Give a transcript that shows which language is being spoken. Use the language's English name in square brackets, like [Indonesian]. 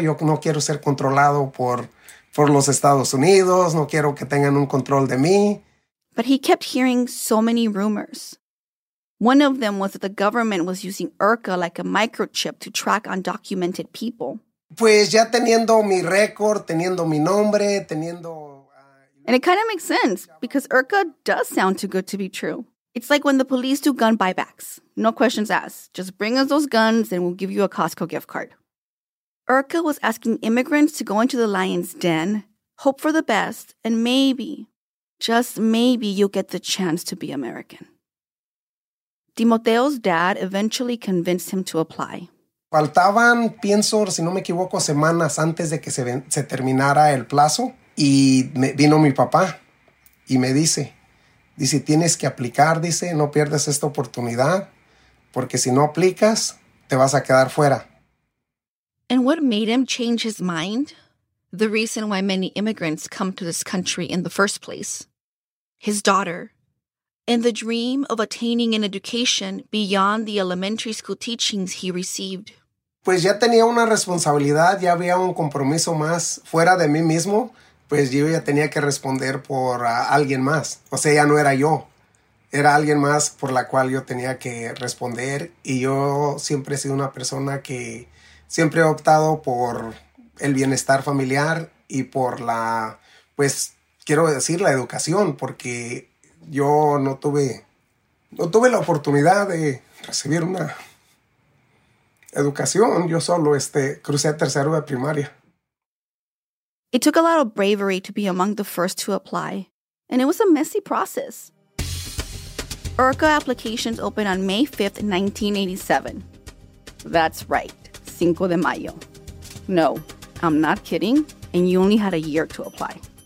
[Spanish] Yo no quiero ser controlado por los Estados Unidos. No quiero que tengan un control de mí. [English] But he kept hearing so many rumors. One of them was that the government was using IRCA like a microchip to track undocumented people. [Spanish] Pues ya teniendo mi récord, teniendo mi nombre, teniendo... [English] And it kind of makes sense, because IRCA does sound too good to be true. It's like when the police do gun buybacks. No questions asked. Just bring us those guns and we'll give you a Costco gift card. IRCA was asking immigrants to go into the lion's den, hope for the best, and maybe, just maybe, you'll get the chance to be American. Timoteo's dad eventually convinced him to apply. [Spanish] Faltaban, pienso, si no me equivoco, semanas antes de que se terminara el plazo. Y vino mi papá y me dice, tienes que aplicar, dice, no pierdas esta oportunidad, porque si no aplicas, te vas a quedar fuera. [English] And what made him change his mind? The reason why many immigrants come to this country in the first place. His daughter. And the dream of attaining an education beyond the elementary school teachings he received. [Spanish] Pues ya tenía una responsabilidad, ya había un compromiso más fuera de mí mismo, pues yo ya tenía que responder por alguien más. O sea, ya no era yo, era alguien más por la cual yo tenía que responder. Y yo siempre he sido una persona que siempre he optado por el bienestar familiar y por la, pues quiero decir, la educación, porque... Yo no tuve la oportunidad de recibir una educación. Yo solo crucé tercero de primaria. [English] It took a lot of bravery to be among the first to apply, and it was a messy process. IRCA applications opened on May 5th, 1987. That's right, Cinco de Mayo. No, I'm not kidding, and you only had a year to apply.